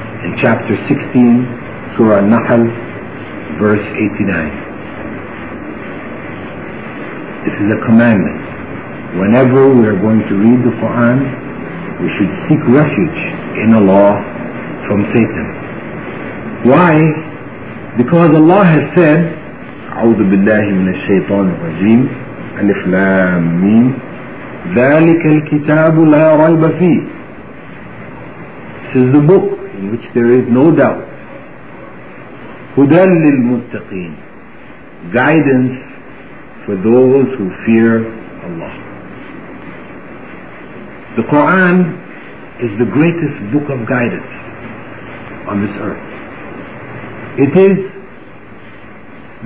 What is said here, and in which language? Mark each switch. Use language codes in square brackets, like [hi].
[en] In chapter 16, Surah An-Nahl, verse 89. This is a commandment. Whenever we are going to read the Quran, we should seek refuge in Allah from Satan. Why? Because Allah has said, [ar] أعوذ بالله من الشيطان الرجيم ألف لام ميم ذلك الكتاب لا ريب فيه. [en] This is the book in which there is no doubt. [ar] هدى للمتقين, [en] guidance for those who fear Allah. The Quran is the greatest book of guidance on this earth. It is